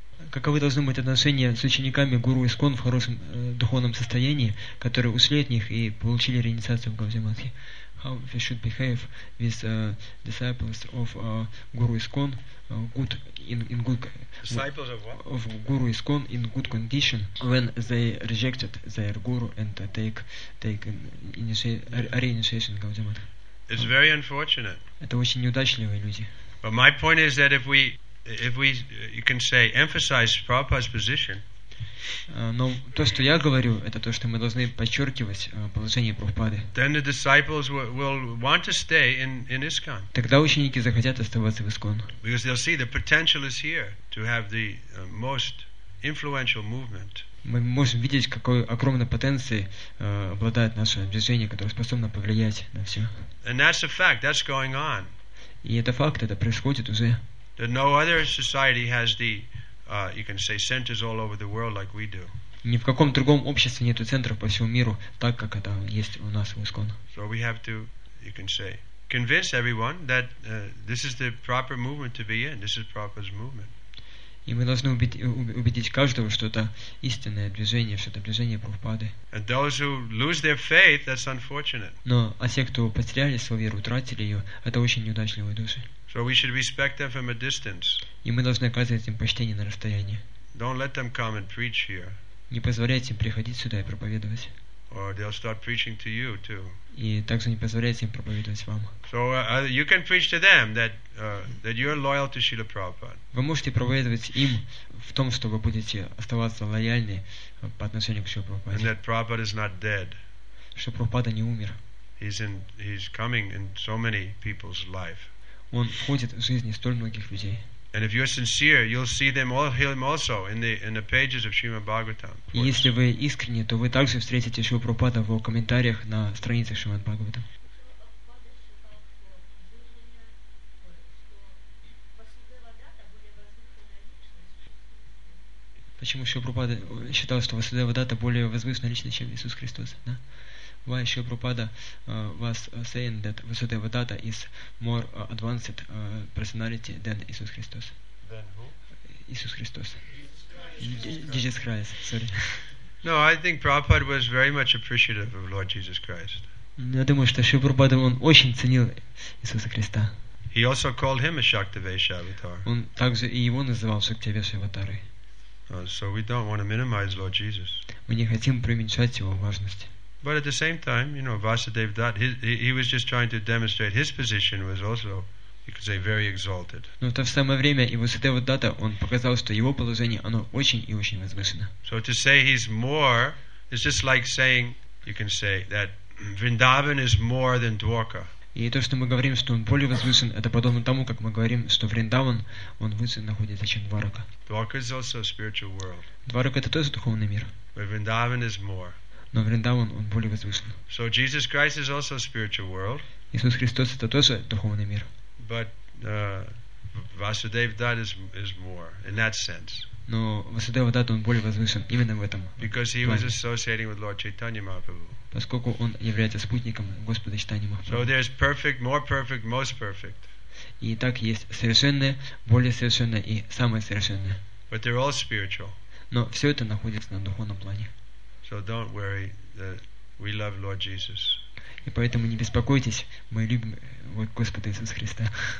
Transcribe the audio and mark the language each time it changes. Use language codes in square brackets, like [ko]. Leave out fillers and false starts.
[ru] Каковы должны быть отношения с учениками Гуру Искон в хорошем духовном состоянии, которые ушли от них и получили реинициацию в Гаудиаматхе? [en] How we should behave with disciples of Guru Iskon good in good disciples of what? Of Guru Iskon in good condition when they rejected their guru and reinitiation in Gaudiamatha. It's very unfortunate. [ru] Это очень неудачливые люди. [en] But my point is that if we you can say emphasize Prabhupada's position. [ru] Но то, что я говорю, это то, что мы должны подчеркивать положение Прабхупады. [en] Then the disciples will want to stay in ISKCON. [ru] Тогда ученики захотят оставаться в ИСККОН. [en] Because they'll see the potential is here to have the most influential movement. [ru] Мы можем видеть, какой огромной потенцией обладает наше движение, которое способно повлиять на все. [en] And that's a fact. That's going on. [ru] И это факт, это происходит уже. [en] That no other society has the you can say centers all over the world like we do. [ru] Ни в каком другом обществе нету центров по всему миру, так как это есть у нас в ИСККОН. [en] So we have to, you can say, convince everyone that this is the proper movement to be in. This is Prabhupada's movement. [ru] И мы должны убедить каждого, что это истинное движение, что это движение Прабхупады. [en] And those who lose their faith, that's unfortunate. [ru] Но а те, кто потеряли свою веру, утратили ее, это очень неудачливые души. [en] So we should respect them from a distance. [ru] И мы должны оказывать им почтение на расстоянии. [en] Don't let them come and preach here. [ru] Не позволяйте им приходить сюда и проповедовать. [en] Or they'll start preaching to you too. [ru] И также не позволяйте им проповедовать вам. [en] So you can preach to them that you're loyal to Srila Prabhupada. [ru] Вы можете проповедовать им в том, что вы будете оставаться лояльны по отношению к Шриле Прабхупаде. [en] And that Prabhupada is not dead. [ru] Что Прабхупада не умер. [en] He's coming in so many people's life. [ru] Он входит в жизни столь многих людей. [en] And if you're sincere, you'll see them all him also in the pages of Srimad Bhagavatam. [ru] И если вы искренне, то вы также встретите Шрилу Прабхупаду в комментариях на страницах Шримад Бхагаватам. Почему Шрила Прабхупада считал, что Васудева Дата более возвышенная личность, чем Иисус Христос? Да? [en] Why Srila Prabhupada was saying that Vasudeva Datta is more advanced personality than Jesus Christ? Than who? Jesus Christ. Jesus Christ, sorry. No, I think Prabhupada was very much appreciative of Lord Jesus Christ. [ru] Я думаю, что Шрила Прабхупада, он очень ценил Иисуса Христа. [en] He also called him a Shaktivesha Avatar. [ru] Он также и его называл Shaktivesha Avatar. [en] So we don't want to minimize Lord Jesus. [ru] Мы не хотим преуменьшать его важность. [en] But at the same time, you know, Vasudeva Datta, he was just trying to demonstrate his position was also, you could say, very exalted. [ru] Но в то самое время и Vasudeva Datta, он показал, что его положение, оно очень и очень возвышено. [en] So to say he's more, is just like saying, you can say, that Vrindavan is more than Dwarka. [ru] И то, что мы говорим, что он более возвышен, это подобно тому, как мы говорим, что Вриндаван, он выше находится, чем Дварака. [en] Dwarka is also a spiritual world. [ru] Дварака — это тоже духовный мир. [en] But Vrindavan is more. [ru] Но Вриндаван, он более возвышен. [en] So Jesus Christ is also a spiritual world. [ru] Иисус Христос это тоже духовный мир. [en] But Vasudevdat is more in that sense. [ru] Но Васудева-дат, он более возвышен именно в этом. [en] Because he was associating with Lord Chaitanya Mahaprabhu. [ru] Поскольку он является спутником Господа Чайтаньи Махапрабху. [en] So there's perfect, more perfect, most perfect. [ru] И так есть совершенное, более совершенное и самое совершенное. [en] But they're all spiritual. [ru] Но все это находится на духовном плане. [en] So don't worry, we love Lord Jesus. [ru] И поэтому не беспокойтесь, мы любим вот Господа Иисуса Христа.